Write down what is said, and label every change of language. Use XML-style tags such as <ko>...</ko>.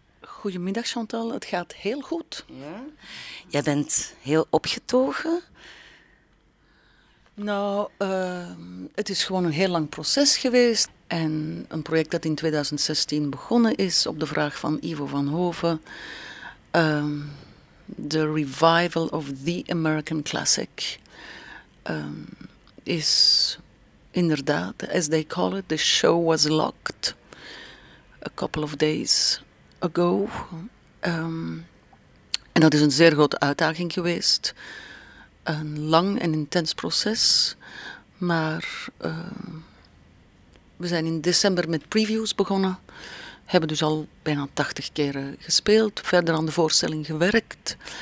<nl>Goedemiddag, Chantal. Het gaat heel goed. Ja. Jij bent heel opgetogen. Nou, het is gewoon een heel lang proces geweest. En een project dat in 2016 begonnen is op de vraag van Ivo van Hoven...</nl> <en>The revival of the American classic is inderdaad, as they call it, the show was locked a couple of days ago.</en> <nl>En dat is een zeer grote uitdaging geweest. Een lang en intens proces. Maar we zijn in december met previews begonnen. Hebben dus al bijna 80 keren gespeeld, verder aan de voorstelling gewerkt.</nl>